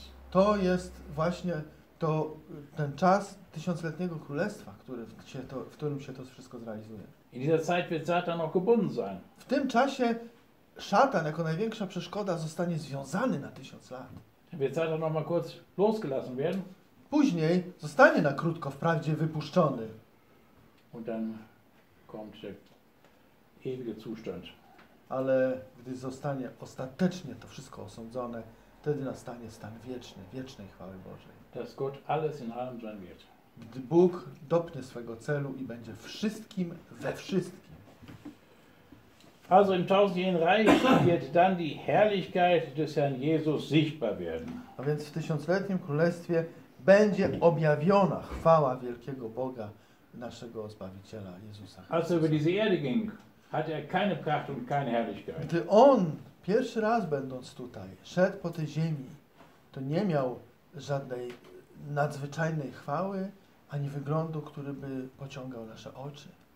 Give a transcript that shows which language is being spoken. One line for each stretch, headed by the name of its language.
Polish: To jest właśnie to, ten czas tysiącletniego królestwa, który się to, w którym się to wszystko zrealizuje.
German: In dieser Zeit wird Satan auch gebunden sein.
Polish: W tym czasie szatan jako największa przeszkoda zostanie związany na tysiąc lat.
German: Wird Satan noch mal kurz losgelassen werden.
Polish: Później zostanie na krótko wprawdzie wypuszczony.
German: Und dann kommt der ewige Zustand.
Polish: Ale gdy zostanie ostatecznie to wszystko osądzone, wtedy nastanie stan wieczny, wiecznej chwały Bożej.
German: Dass Gott alles in allem sein wird.
Polish: Gdy Bóg dopnie swego celu i będzie wszystkim we wszystkim.
German: Also im tausendjährigen Reich wird dann die Herrlichkeit des Herrn Jesus sichtbar werden.
Polish: A więc w tysiącletnim królestwie będzie objawiona chwała wielkiego Boga, naszego Zbawiciela Jezusa Chrystusa.
German: Also über diese Erde ging, hat keine Pracht und keine Herrlichkeit.
Polish: Gdy on pierwszy raz będąc tutaj szedł po tej ziemi, to nie miał żadnej nadzwyczajnej chwały ani wyglądu, który by pociągał nasze oczy.